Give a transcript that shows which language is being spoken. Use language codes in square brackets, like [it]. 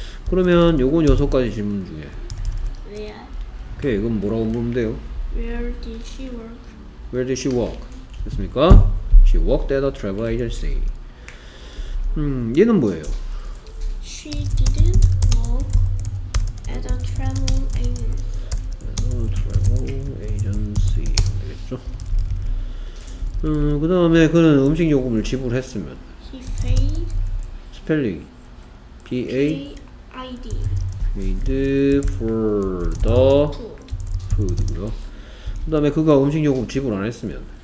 [ko] 그러면 요건 여섯 가지 질문 중에 [en] Where [ko] 오케이. 이건 뭐라고 물으면 돼요? [en] Where did she work? [ko] 됐습니까? [en] She worked at a travel agency. [ko] 얘는 뭐예요? [en] She didn't work at a travel agency. At a travel agency. [ko] 알겠죠? 그 다음에 그는 음식 요금을 지불했으면 [en] He paid Spelling P-A-I-D Paid for the food. [ko] 그죠? 그 다음에 그가 음식 요금 지불 안 했으면